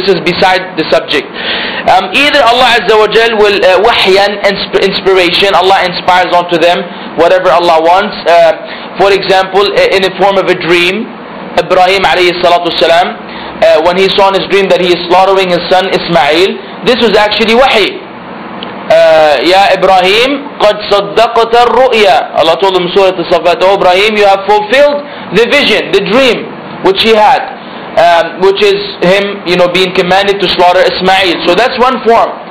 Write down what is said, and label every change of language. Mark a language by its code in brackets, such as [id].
[en] This is beside the subject. Either Allah Azza wa Jal will wahyan, inspiration, Allah inspires onto them whatever Allah wants. For example, in the form of a dream, Ibrahim alayhi salatu salam, when he saw in his dream that he is slaughtering his son Ismail, this was actually wahy. [ar] Ya Ibrahim, قد صدقت الرؤيا. [en] Allah told him Surah As-Saffat, oh Ibrahim, you have fulfilled the vision, the dream which he had, which is him, you know, being commanded to slaughter Ismail. So that's one form.